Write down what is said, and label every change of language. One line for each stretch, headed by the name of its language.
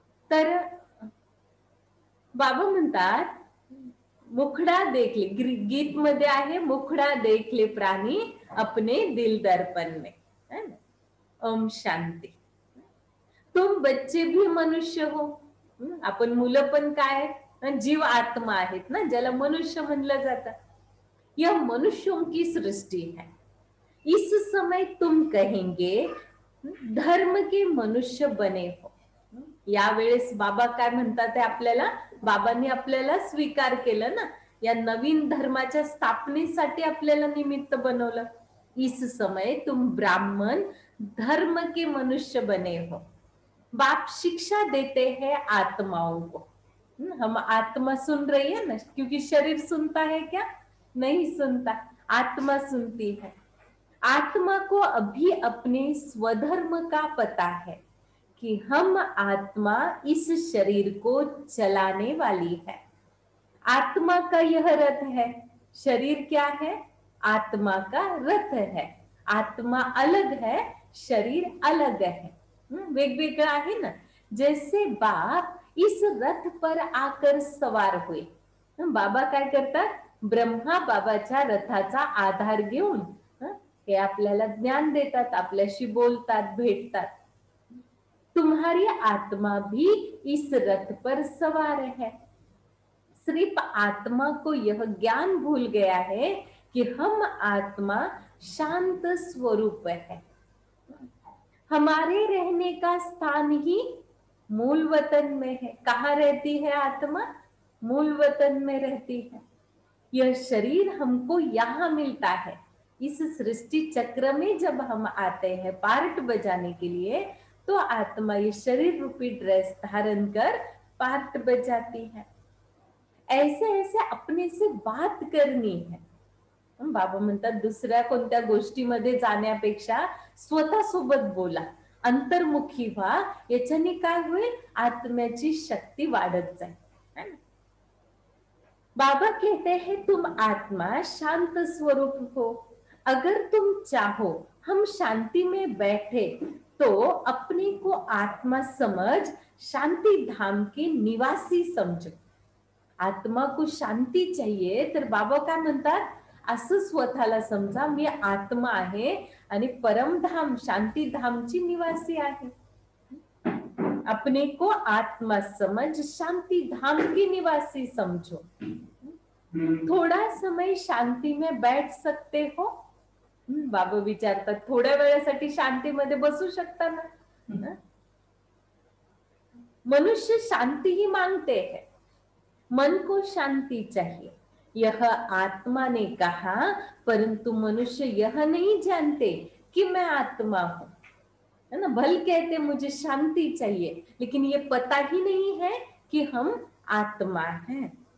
Marathi: तर बाबा म्हणतात
Hindi: मुखडा देखले,
Marathi: गीत मध्ये आहे,
Hindi: मुखडा देखले प्राणी अपने दिल दर्पण में, है ना. ओम शांति. तुम बच्चे भी मनुष्य हो.
Marathi: आपण मुलं पण काय, जीव आत्मा आहेत ना, ज्याला मनुष्य म्हणलं जात.
Hindi: यह मनुष्यों की सृष्टि है. इस समय तुम कहेंगे धर्म के मनुष्य बने हो.
Marathi: या वेळेस बाबा काय म्हणतात, आपल्याला बाबांनी आपल्याला स्वीकार केलं ना, या नवीन धर्माच्या स्थापनेसाठी आपल्याला निमित्त बनवलं.
Hindi: इस समय तुम ब्राह्मण धर्म के मनुष्य बने हो. बाप शिक्षा देते है आत्माओं को. हम आत्मा सुन रही है ना, क्योंकि शरीर सुनता है क्या? नहीं सुनता, आत्मा सुनती है. आत्मा को अभी अपने स्वधर्म का पता है कि हम आत्मा इस शरीर को चलाने वाली है. आत्मा का यह रथ है. शरीर क्या है? आत्मा का रथ है. आत्मा अलग है, शरीर अलग है,
Marathi: वेगवेगळा आहे ना.
Hindi: जैसे बाप इस रथ पर आकर सवार हुए.
Marathi: बाबा काय करतात, ब्रह्मा बाबाच्या रथाचा आधार घेऊन हे आपल्याला ज्ञान देतात, आपल्याशी बोलतात, भेटतात.
Hindi: तुम्हारी आत्मा भी इस रथ पर सवार है. सिर्फ आत्मा को यह ज्ञान भूल गया है कि हम आत्मा शांत स्वरूप है. हमारे रहने का स्थान ही मूल वतन में है। कहाँ रहती है आत्मा? मूल वतन में रहती है। यह शरीर हमको यहाँ मिलता है इस सृष्टि चक्र में। जब हम आते हैं पार्ट बजाने के लिए तो आत्मा ये शरीर रूपी ड्रेस धारण कर पार्ट बजाती है। ऐसे ऐसे अपने से बात करनी है।
Marathi: बाबा म्हणतात दुसऱ्या कोणत्या गोष्टी मध्ये जाण्यापेक्षा स्वतः सोबत बोला, अंतर्मुखी व्हा, याच्याने काय होईल, आत्म्याची शक्ती वाढत जाईल।
Hindi: बाबा कहते हैं तुम आत्मा शांत स्वरूप हो, अगर तुम चाहो हम शांति में बैठे तो अपने को आत्मा समझ, शांति धाम के निवासी समझो। आत्मा को शांति चाहिए
Marathi: तर बाबा काय म्हणतात, असं स्वतःला समजा, मी आत्मा आहे आणि परमधाम शांति धाम ची निवासी आहे।
Hindi: अपने को आत्मा समझ, शांति धाम की निवासी समझो। थोड़ा समय शांति में बैठ सकते हो?
Marathi: बाबा विचारता थोड़ा वेळेसाठी शांति मध्ये बसू शकता ना?
Hindi: मनुष्य शांति ही मांगते हैं, मन को शांति चाहिए। यह आत्मा ने कहा, परंतु मनुष्य यह नहीं जानते कि मैं आत्मा हूं, है ना। भल कहते मुझे शांति चाहिए, लेकिन ये पता ही नहीं है कि हम आत्मा हैं।